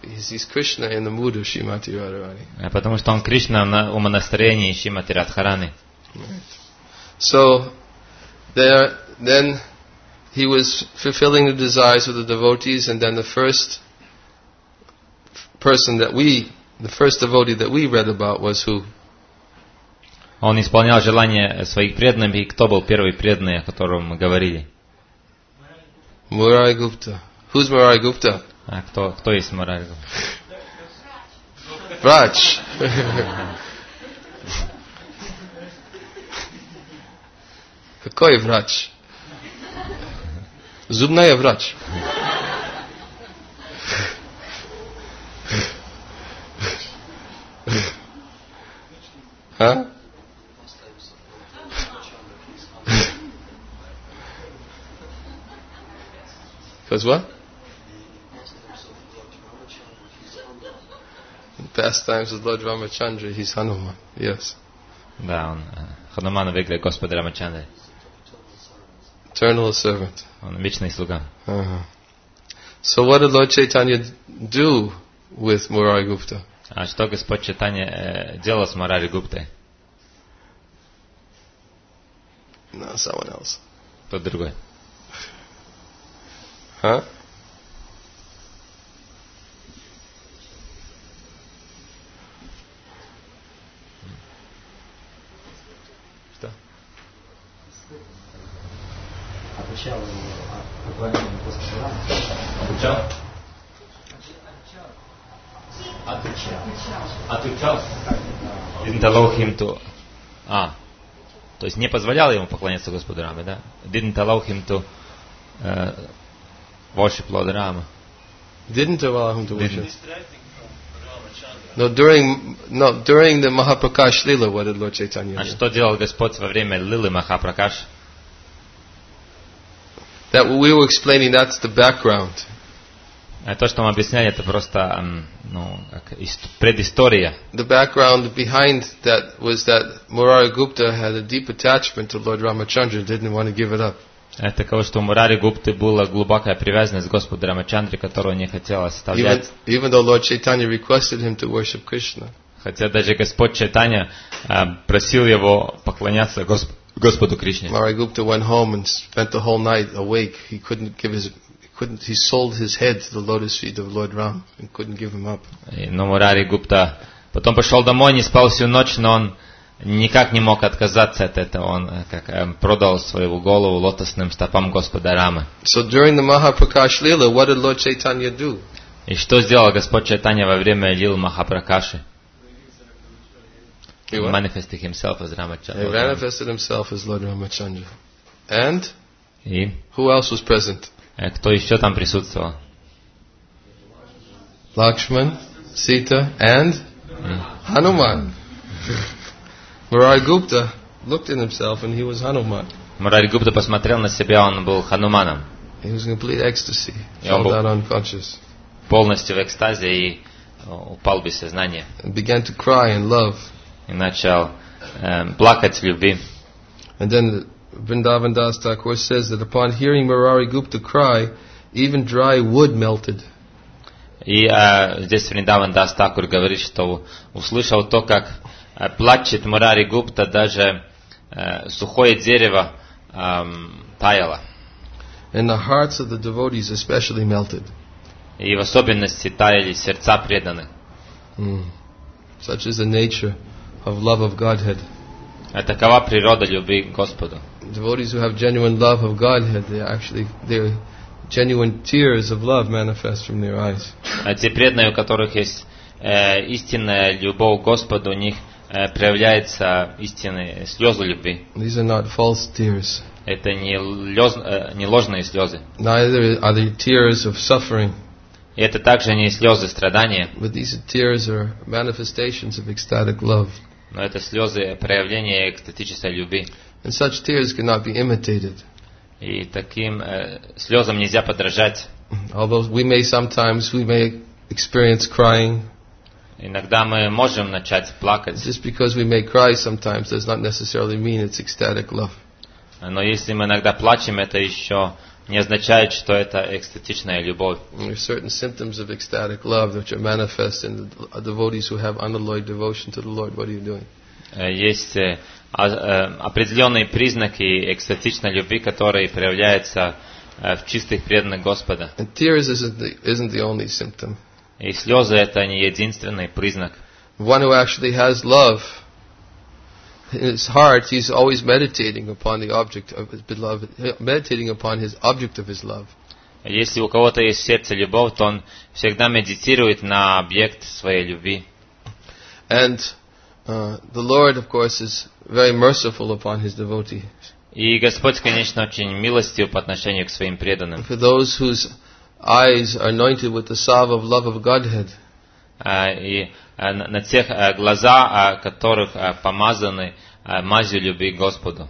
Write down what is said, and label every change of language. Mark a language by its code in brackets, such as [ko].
[en] He's Krishna in the mood of Shrimati Radharani. [ru] Потому что он Кришна на умонастроении Шримати Радхарани. [en] Right. So then he was fulfilling the desires of the devotees, and then the first person that we The first devotee that we read about was who? [ru] Он исполнял желания своих преданных, и кто был первый преданный, о котором мы говорили? [en] Мурари Гупта. Who's Мурари Гупта? [ru] А кто есть Мурари Гупта? Врач. Какой врач? Зубная врач. [en] Because what? Past times with Lord Ramachandra, he's Hanuman. Yes. Down. Hanuman vigle Господ Рамачандра. Eternal servant. [ru] Он вечный слуга. [en] So what did Lord Chaitanya do with Murari Gupta? [ru] А что Господь Чайтанья делал с Мурари Гуптой? [en] No, someone else. [ru] Кто другой? Что? Обучал его буквально после шарана. Обучал? отучался. [en] Didn't allow him to... [ru] А, то есть не позволял ему поклоняться Господу Раме, да? [en] Didn't allow him to worship Lord Rama. Didn't allow him to worship. No, during the Mahaprakash Lila, what did Lord Chaitanya do? [ru] А что делал Господь во время Лилы Махапракаш? [en] That we were explaining, that's the background. [ru] То, что мы объясняли, это просто, ну, как предыстория. [en] The background behind that was that Murari Gupta had a deep attachment to Lord Ramachandra and didn't want to give it up. [ru] Это такое, что у Мурари Гупты была глубокая привязанность к Господу Рамачандре, которую не хотелось оставлять. [en] Even though Lord Chaitanya requested him to worship Krishna. [ru] Хотя даже Господь Чайтанья просил его поклоняться Господу Кришне. [en] Murari Gupta went home and spent the whole night awake. He couldn't give his He sold his head to the lotus feet of Lord Ram and couldn't give him up. [ru] Но Мурари Гупта потом пошел домой, не спал всю ночь, но он никак не мог отказаться от этого. Он как продал свою голову лотосным стопам Господа Рамы. [en] So during the Mahaprakash Lila, what did Lord Chaitanya do? [ru] И что сделал Господь Чайтанья во время Лилы Махапракаши? [en] He manifested himself as Ramachandra. He manifested himself as Lord Ramachandra. And? [ru] И? [en] Who else was present? [ru] Кто еще там присутствовал? Лакшман, Сита [en] and [ru] Хануман. [en] Murari Gupta looked in himself and he was Hanuman. [ru] Murari Gupta посмотрел на себя, он был Хануманом. [en] He was in complete ecstasy, fell down unconscious. [ru] Полностью в экстазе и упал без сознания. [en] And began to cry in love. [ru] И начал плакать в любви. [en] And then Vrindavan Das Thakur says that upon hearing Murari Gupta cry, even dry wood melted. [ru] И здесь Vrindavan Das Thakur говорит, что услышал то, как плачет Мурари Гупта, даже сухое дерево таяло. [en] And the hearts of the devotees especially melted. [ru] И в особенности таяли сердца преданных. Mm. [en] Such is the nature of love of Godhead. [ru] А такова природа любви к Господу. [en] Devotees who have genuine love of Godhead, their genuine tears of love manifest from their eyes. [ru] А те преданные, у которых есть истинная любовь к Господу, у них проявляется истинные слезы любви. [en] These are not false tears. [ru] Это не ложные слезы. [en] Neither are they tears of suffering. [ru] И это также не слезы страдания. [en] But these tears are manifestations of ecstatic love. [ru] Но это слезы проявления экстатической любви. [en] And such tears cannot be imitated. [ru] И таким слезам нельзя подражать. [en] Although we may experience crying. [ru] Иногда мы можем начать плакать. [en] Just because we may cry sometimes does not necessarily mean it's ecstatic love. [ru] Но если мы иногда плачем, это еще не означает, что это экстатичная любовь. [en] There are certain symptoms of ecstatic love which are manifest in the devotees who have unalloyed devotion to the Lord. What are you doing? [ru] Есть определенные признаки экстатичной любви, которые проявляются в чистых преданных Господа. [en] And tears isn't the only symptom. [ru] И слезы — это не единственный признак. [en] One who actually has love in his heart, he's always meditating upon the object of his beloved, meditating upon his object of his love. [ru] Если у кого-то есть сердце любовь, то он всегда медитирует на объект своей любви. [en] And the Lord, of course, is very merciful upon his devotee. [ru] И Господь, конечно, очень милостив по отношению к своим преданным. [en] For those whose eyes are anointed with the salve of love of Godhead. [ru] И на тех глаза, которых помазаны мазью любви к Господу.